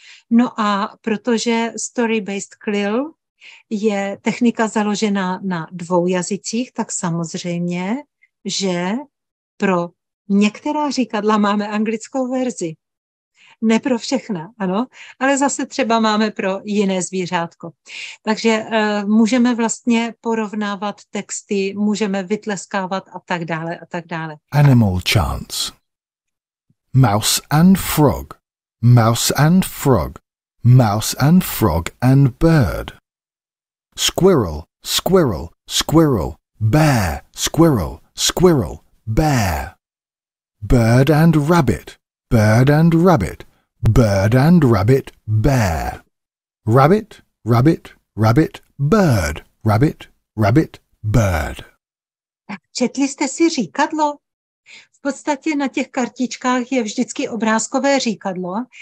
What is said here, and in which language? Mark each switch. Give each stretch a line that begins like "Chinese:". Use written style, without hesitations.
Czech: No a protože story-based CLIL je technika založená na dvou jazycích, tak samozřejmě, že pro některá říkadla máme anglickou verzi. ne pro všechna, ano, ale zase třeba máme pro jiné zvířátko. Takže můžeme vlastně porovnávat texty, můžeme vytleskávat a tak dále a tak dále.
English: Animal chants. Mouse and frog, mouse and frog, mouse and frog and bird. Squirrel, squirrel, squirrel, bear, squirrel, squirrel, bear. Bird and rabbit, bird and rabbit, bird and rabbit, bear. Rabbit, rabbit, rabbit, bird, rabbit, rabbit, bird.
Czech: Tak četli jste si říkadlo? V podstatě na těch kartičkách je vždycky obrázkové říkadlo.